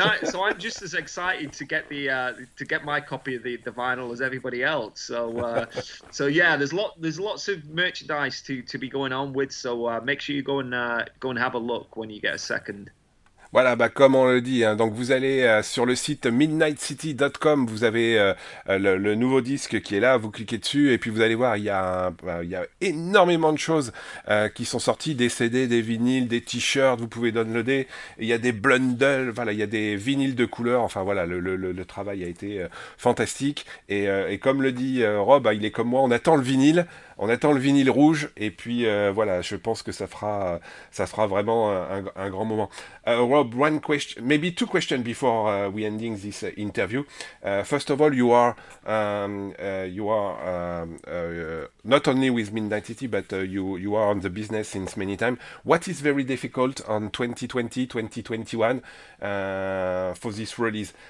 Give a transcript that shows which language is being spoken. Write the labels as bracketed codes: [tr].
[en] So I'm just as excited to get my copy of the vinyl as everybody else. So yeah, there's lots of merchandise to be going on with. So make sure you go and have a look when you get a second. [fr] Voilà, bah comme on le dit, hein, donc vous allez sur le site midnightcity.com, vous avez le nouveau disque qui est là, vous cliquez dessus et puis vous allez voir, il y a énormément de choses qui sont sorties, des CD, des vinyles, des t-shirts, vous pouvez downloader, il y a des bundles, voilà, il y a des vinyles de couleur, enfin voilà, le travail a été fantastique et comme le dit Rob, il est comme moi, on attend le vinyle. On attend le vinyle rouge, et puis voilà, je pense que ça fera vraiment un grand moment. [en] Rob, one question, maybe two questions before we ending this interview. First of all, you are not only with Midnight City, but you are on the business since many times. What is very difficult on 2020, 2021 for this release?